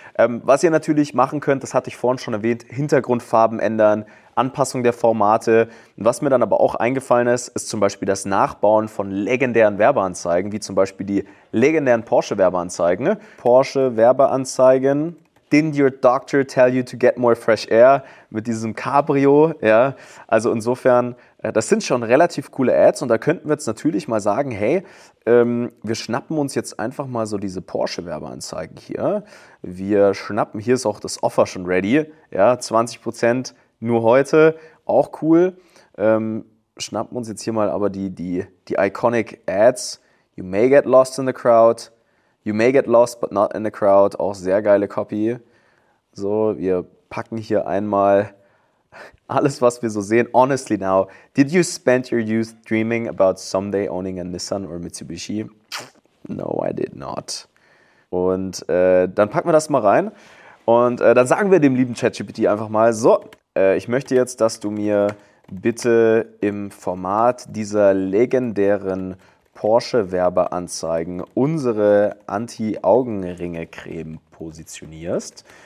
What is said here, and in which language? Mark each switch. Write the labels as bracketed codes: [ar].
[de] Was ihr natürlich machen könnt, das hatte ich vorhin schon erwähnt, Hintergrundfarben ändern, Anpassung der Formate. Was mir dann aber auch eingefallen ist, ist zum Beispiel das Nachbauen von legendären Werbeanzeigen, wie zum Beispiel die legendären Porsche-Werbeanzeigen. Porsche-Werbeanzeigen. [en] Didn't your doctor tell you to get more fresh air? [de] Mit diesem Cabrio, ja. Also insofern, das sind schon relativ coole Ads. Und da könnten wir jetzt natürlich mal sagen, hey, wir schnappen uns jetzt einfach mal so diese Porsche-Werbeanzeigen hier. Wir schnappen, hier ist auch das Offer schon ready. Ja, 20% nur heute, auch cool. Schnappen uns jetzt hier mal aber die iconic Ads. [en] You may get lost in the crowd. You may get lost, but not in the crowd. [de] Auch sehr geile Copy. So, wir packen hier einmal alles, was wir so sehen. [en] Honestly now, did you spend your youth dreaming about someday owning a Nissan or Mitsubishi? No, I did not. [de] Und dann packen wir das mal rein. Und dann sagen wir dem lieben ChatGPT einfach mal, so, ich möchte jetzt, dass du mir bitte im Format dieser legendären Porsche-Werbeanzeigen unsere Anti-Augenringe-Creme positionierst.